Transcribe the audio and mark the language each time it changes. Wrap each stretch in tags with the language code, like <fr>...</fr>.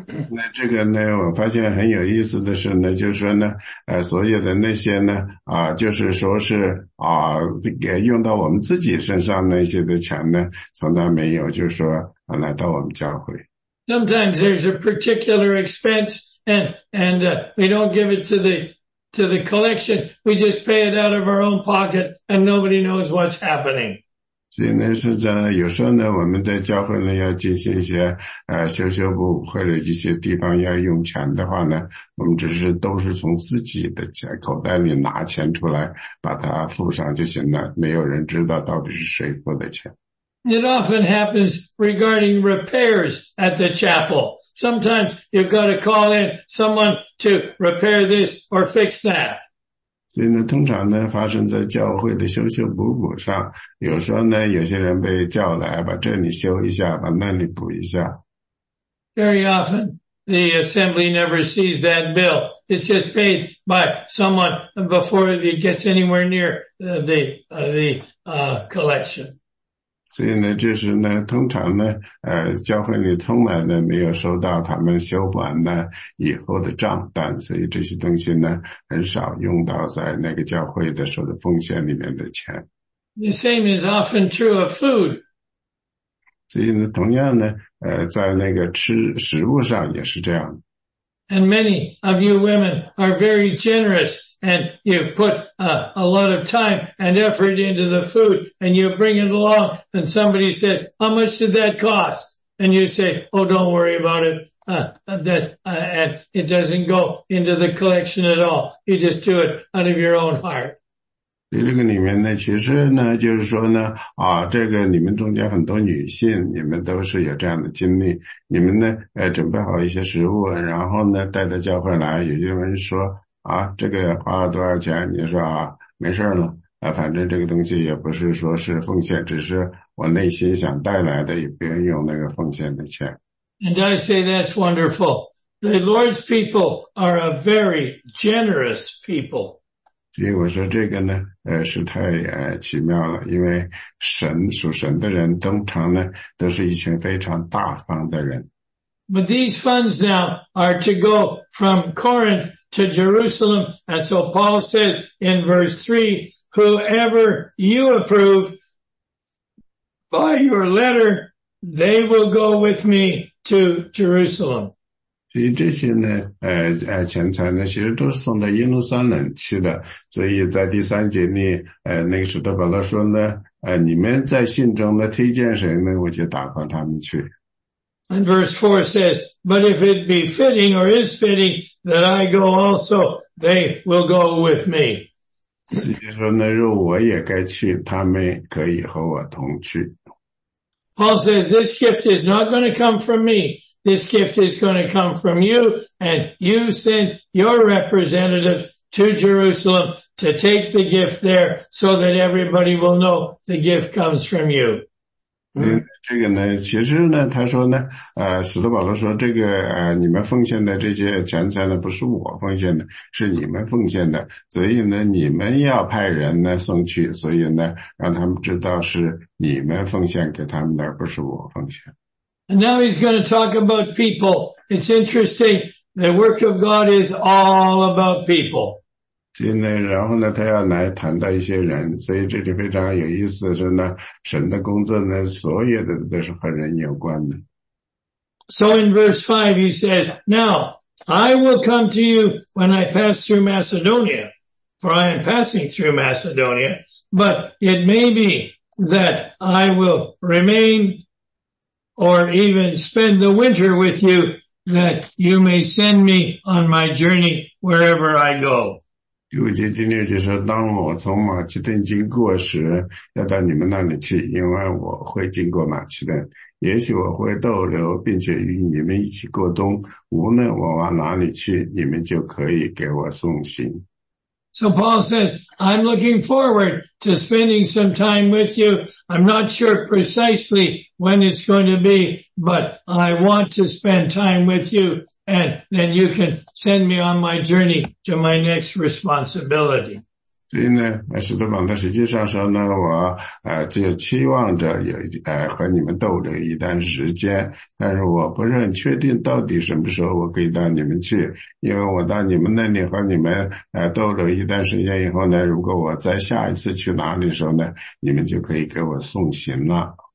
<zh>那这个呢，我发现很有意思的是呢，就是说呢，所有的那些呢，就是说是用到我们自己身上那些的钱呢，从来没有就是说来到我们教会。</zh> <en>Sometimes there's a particular expense and we don't give it to the collection. We just pay it out of our own pocket and nobody knows what's happening.</en> <zh>所以呢是这样，有时候呢我们在教会呢要进行一些修修补或者一些地方要用钱的话呢，我们只是都是从自己的口袋里拿钱出来把它付上就行了，没有人知道到底是谁付的钱。</zh> <en>It often happens regarding repairs at the chapel. Sometimes you've got to call in someone to repair this or fix that.</en> <zh>所以呢，通常呢，发生在教会的修修补补上。有时候呢，有些人被叫来把这里修一下，把那里补一下。</zh> <en>Very often, the assembly never sees that bill. It's just paid by someone before it gets anywhere near the collection.</en> <zh>所以呢，就是呢，通常呢，教会里从来呢没有收到他们修完呢以后的账单，所以这些东西呢很少用到在那个教会的时候的奉献里面的钱。</zh> <en>The same is often true of food.</en> <zh>所以呢，同样呢，在那个吃食物上也是这样。</zh> <en>And many of you women are very generous. And you put a lot of time and effort into the food and you bring it along and somebody says, how much did that cost? And you say, oh, don't worry about it. And it doesn't go into the collection at all. You just do it out of your own heart.</en> <zh>所以这个里面呢，其实呢，就是说呢，这个你们中间很多女性，你们都是有这样的经历。你们呢，准备好一些食物，然后呢，带到教会来。有些人说，这个花了多少钱？你说没事了，反正这个东西也不是说是奉献，只是我内心想带来的，也不用用那个奉献的钱。</zh> <en>And I say that's wonderful. The Lord's people are a very generous people.</en> <zh>所以我说这个呢，是太奇妙了，因为神属神的人通常呢都是一群非常大方的人。</zh> <en>But these funds now are to go from Corinth to Jerusalem, and so Paul says in verse 3, whoever you approve by your letter, they will go with me to Jerusalem.</en> <zh>所以这些呢钱财呢其实都是送到耶路撒冷去的。所以在第三节里那个使徒保罗说呢你们在信中呢推荐谁呢我就打发他们去。</zh> <en>And verse 4 says, but if it be fitting or is fitting that I go also, they will go with me.</en> <zh>所以说呢若我也该去他们可以和我同去。</zh> <en>Paul says, this gift is not going to come from me. This gift is going to come from you, and you send your representatives to Jerusalem to take the gift there so that everybody will know the gift comes from you.</en> <zh>这个呢其实呢他说呢使徒保罗说这个你们奉献的这些钱财呢不是我奉献的是你们奉献的所以呢你们要派人呢送去所以呢让他们知道是你们奉献给他们的而不是我奉献。</zh> <en>And now he's going to talk about people. It's interesting. The work of God is all about people.</en> <zh>然后呢他要来谈到一些人。所以这里非常有意思的是呢神的工作呢所有的都是和人有关的。</zh> <en>So in verse 5 he says, Now, I will come to you when I pass through Macedonia, for I am passing through Macedonia, but it may be that I will remainOr even spend the winter with you that you may send me on my journey wherever I go.</en> <zh>第五节第六节说，当我从马其顿经过时，要到你们那里去，因为我会经过马其顿，也许我会逗留，并且与你们一起过冬。无论我往哪里去，你们就可以给我送行。</zh> <en>So Paul says, I'm looking forward to spending some time with you. I'm not sure precisely when it's going to be, but I want to spend time with you. And then you can send me on my journey to my next responsibility.</en> <zh>所以呢，使徒保罗实际上说呢，我就期望着有和你们逗留一段时间，但是我不是很确定到底什么时候我可以到你们去，因为我到你们那里和你们逗留一段时间以后呢，如果我在下一次去哪里的时候呢，你们就可以给我送行了。</zh>